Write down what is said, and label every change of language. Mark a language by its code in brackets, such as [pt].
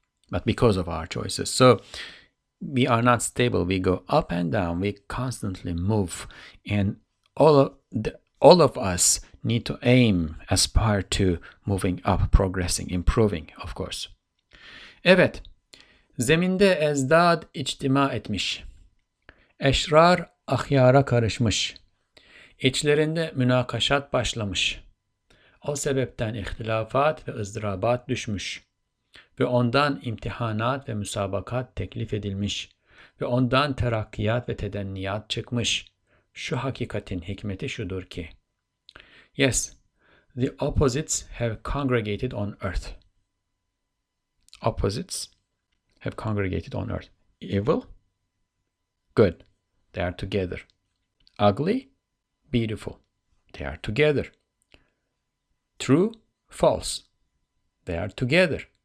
[en] But because of our choices. So we are not stable. We go up and down. We constantly move. And all of us need to aim, aspire to moving up, progressing, improving, of course. [tr] Evet, zeminde ezdad içtima etmiş. Eşrar ahyara karışmış. İçlerinde münakaşat başlamış. O sebepten ihtilafat ve ızdırabat düşmüş. Ve ondan imtihanat ve müsabakat teklif edilmiş. Ve ondan terakkiyat ve tedenniyat çıkmış. Şu hakikatin hikmeti şudur ki. [en] Yes, the opposites have congregated on earth. Opposites have congregated on earth. Evil, good, they are together. Ugly, beautiful, they are together. True, false, they are together.